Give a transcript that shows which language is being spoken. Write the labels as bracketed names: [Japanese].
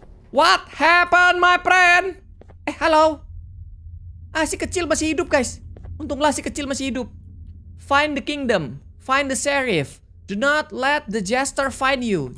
[English] What happened, my friend? Halo. [Indonesian] Si kecil masih hidup, guys. Untunglah si kecil masih hidup. [English] Find the kingdom. Find the sheriff. Do not let the jester find you.